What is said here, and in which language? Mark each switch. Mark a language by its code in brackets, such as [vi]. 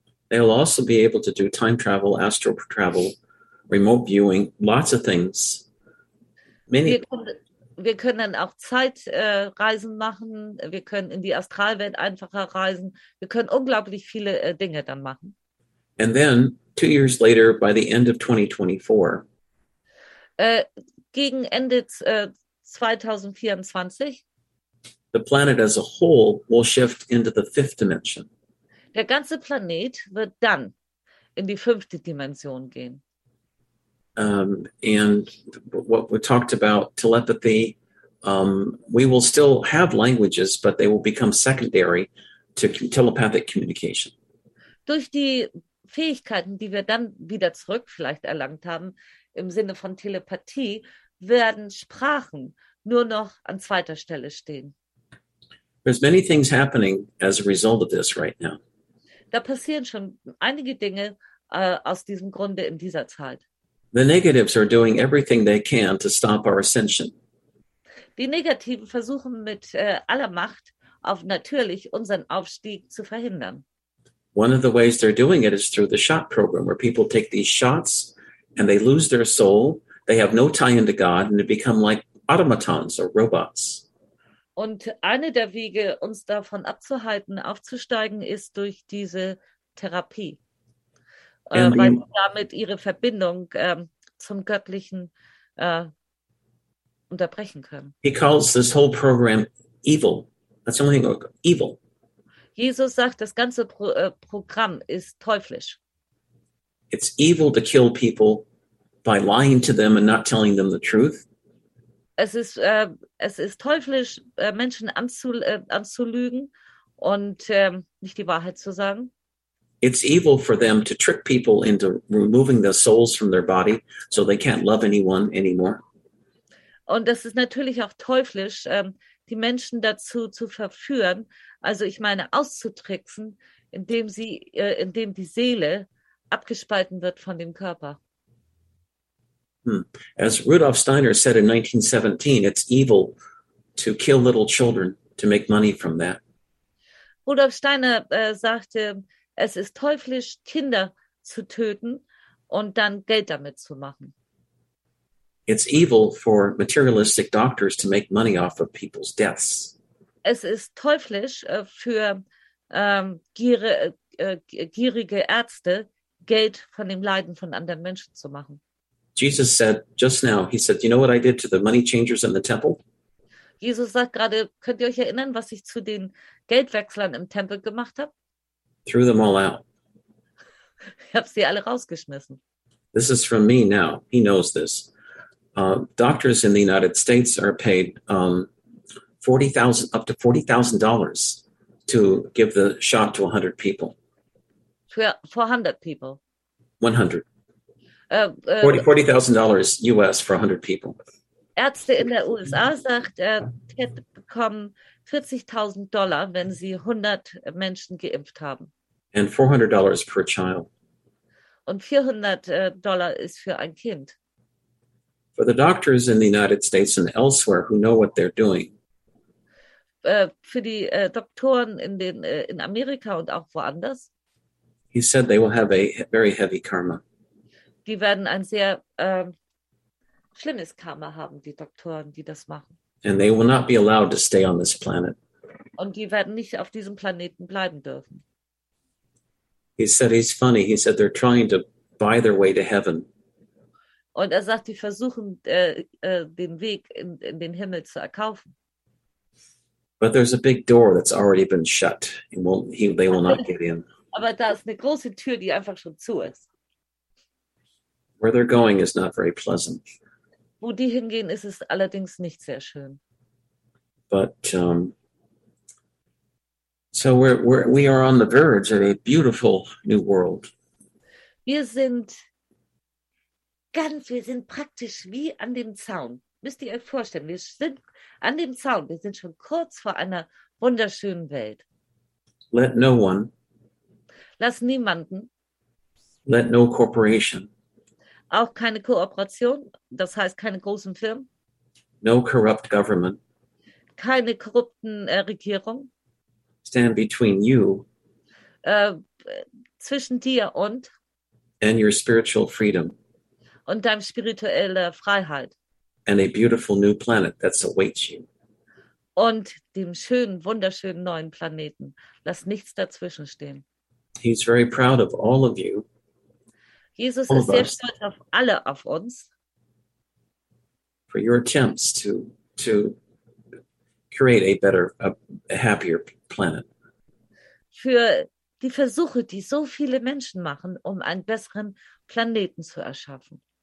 [en] They'll also be able to do time travel, astral travel, remote viewing, lots of things. [de] Wir können dann auch Zeitreisen machen, wir können in die Astralwelt einfacher reisen, wir können unglaublich viele Dinge dann machen. [en] And then, 2 years later, by the end of 2024. [de] Gegen Ende 2024. [en] The planet as a whole will shift into the fifth dimension. [de] Der ganze Planet wird dann in die fünfte Dimension gehen. [en] And what we talked about, telepathy, we will still have languages, but they will become secondary to telepathic communication. [de] Durch die Fähigkeiten, die wir dann wieder zurück vielleicht erlangt haben, im Sinne von Telepathie, werden Sprachen nur noch an zweiter Stelle stehen. [en] There's many things happening as a result of this right now. [de] Da passieren schon einige Dinge aus diesem Grunde in dieser Zeit. [en] The negatives are doing everything they can to stop our ascension. [de] Die Negativen versuchen mit aller Macht auf natürlich unseren Aufstieg zu verhindern. [en] One of the ways they're doing it is through the shot program, where people take these shots and they lose their soul, they have no tie into God, and they become like automatons or robots. [de] Und eine der Wege, uns davon abzuhalten, aufzusteigen, ist durch diese Therapie, weil sie damit ihre Verbindung zum Göttlichen unterbrechen können. [en] He calls this whole program evil. That's the only thing, evil. [de] Jesus sagt, das ganze Programm ist teuflisch. [en] It's evil to kill people by lying to them and not telling them the truth. [de] Es ist teuflisch, Menschen anzulügen und nicht die Wahrheit zu sagen. [en] It's evil for them to trick people into removing their souls from their body so they can't love anyone anymore. [de] Und das ist natürlich auch teuflisch, die Menschen dazu zu verführen, also ich meine auszutricksen, indem die Seele abgespalten wird von dem Körper. [en] As Rudolf Steiner said in 1917, it's evil to kill little children to make money from that. [de] Rudolf Steiner sagte, es ist teuflisch, Kinder zu töten und dann Geld damit zu machen. [en] It's evil for materialistic doctors to make money off of people's deaths. [de] Es ist teuflisch für gierige Ärzte, Geld von dem Leiden von anderen Menschen zu machen. [en] Jesus said just now, he said, you know what I did to the money changers in the temple? [de] Jesus sagt gerade, könnt ihr euch erinnern, was ich zu den Geldwechslern im Tempel gemacht habe? [en] Threw them all out. [de] Ich habe sie alle rausgeschmissen. [en] This is from me now. He knows this. Doctors in the United States are paid up to $40,000 to give the shot to 100 people. For 100 people? 100. $40,000 US for 100 people. [de] Ärzte in der USA sagt, Ted bekommen $40,000, wenn sie 100 Menschen geimpft haben. [en] And $400 per child. [de] Und $400 ist für ein Kind. [en] For the doctors in the United States and elsewhere who know what they're doing. [de] Für die Doktoren in Amerika und auch woanders. [en] He said they will have a very heavy karma. [de] Die werden ein sehr schlimmes Karma haben, die Doktoren, die das machen. [en] And they will not be allowed to stay on this planet. [de] Und die werden nicht auf diesem Planeten bleiben dürfen. [en] He said he's funny. He said they're trying to buy their way to heaven. [de] Und er sagt, die versuchen, den Weg in den Himmel zu erkaufen. [en] But there's a big door that's already been shut. They will not get in. [de] Aber da ist eine große Tür, die einfach schon zu ist. [en] Where they're going is not very pleasant. [de] Wo die hingehen, ist es allerdings nicht sehr schön. [en] But so we are on the verge of a beautiful new world. [de] Wir sind praktisch wie an dem Zaun. Müsst ihr euch vorstellen, wir sind an dem Zaun. Wir sind schon kurz vor einer wunderschönen Welt. [en] Let no one. [de] Lass niemanden. [en] Let no corporation. [de] Auch keine Kooperation, das heißt keine großen Firmen. [en] No corrupt government. [de] Keine korrupten Regierung. [en] Stand between you. [de] Zwischen dir und. [en] And your spiritual freedom. [de] Und deinem spirituellen Freiheit. [en] And a beautiful new planet that awaits you. [de] Und dem schönen, wunderschönen neuen Planeten. Lass nichts dazwischen stehen. [en] He's very proud of all of you. [de] Jesus ist sehr stolz auf alle, auf uns. [en] For your attempts to create a better, a happier planet. [de] Für die Versuche, die so viele Menschen machen, um einen besseren Planeten zu erschaffen.